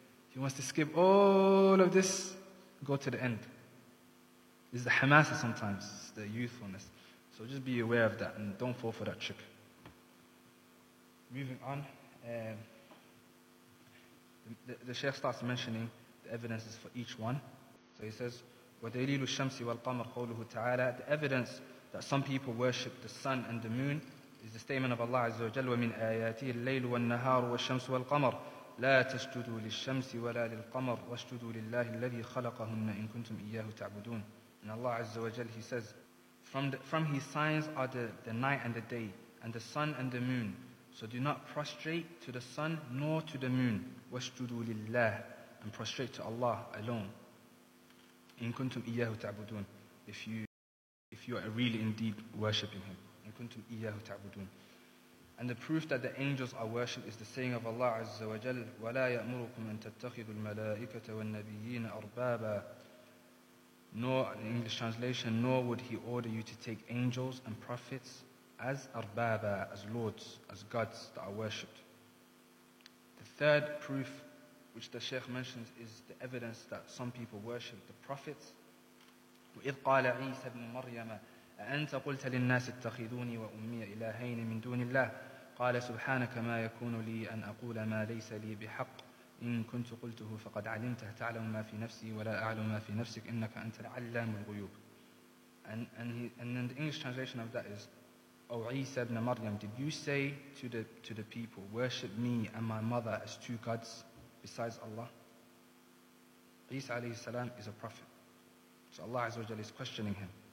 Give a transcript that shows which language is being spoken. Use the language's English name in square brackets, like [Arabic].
[English] He wants to skip all of this, go to the end. It's the hamasa sometimes, the youthfulness. So just be aware of that and don't fall for that trick. Moving on, the Sheikh starts mentioning the evidences for each one. So he says, [Arabic] وَدَلِيلُ الشَّمْسِ وَالْقَمَرِ قَوْلُهُ تَعَالَى. [English] The evidence that some people worship the sun and the moon is the statement of Allah Azza wa Jalla, [Arabic] وَمِنْ آيَاتِهِ اللَّيْلُ وَالنَّهَارُ وَالشَّمْسُ وَالْقَمَرُ لَا تَسْجُدُوا لِلشَّمْسِ وَلَا لِلْقَمَرِ وَاسْجُدُوا لِلَّهِ الَّذِي خَلَقَهُنَّ إِن كُنتُمْ إِيَّاهُ تَعْبُدُونَ. [English] And Allah Azza wa Jalla, he says, from his signs are the night and the day, and the sun and the moon. So do not prostrate to the sun nor to the moon. [Arabic] وَاسْجُدُوا لِلَّهِ, [English] and prostrate to Allah alone. [Arabic] إِن كُنتُمْ إِيَّاهُ تَعْبُدُونَ, [English] if you are really indeed worshipping him. [Arabic] إِن كُنتُمْ إِيَّاهُ تَعْبُدُونَ. [English] And the proof that the angels are worshipped is the saying of Allah Azza wa Jal, [Arabic] وَلَا يَأْمُرُكُمْ أَن تَتَّخِذُوا الْمَلَائِكَةَ وَالنَّبِيِّينَ أَرْبَابًا. [English] Nor, in English translation, nor would he order you to take angels and prophets as arbaba, as lords, as gods that are worshipped. The third proof, which the Shaykh mentions, is the evidence that some people worship the prophets. [Arabic] وَإِذْ قَالَ عِيسَى بْنُ مَرْيَمَ أأنت قلت للناس اتخذوني وأمي إلهين من دون الله قال سبحانك ما يكون لي أن أقول ما ليس لي بحق إن كنت قلته فقد علمته تعلم ما في نفسي ولا أعلم ما في نفسك إنك أنت العلام الغيوب. [English] And in the English translation of that is, O Isa ibn Maryam, did you say to the people, worship me and my mother as two gods besides Allah? Isa alayhi salam is a prophet. So Allah Azza wa Jalla is questioning him.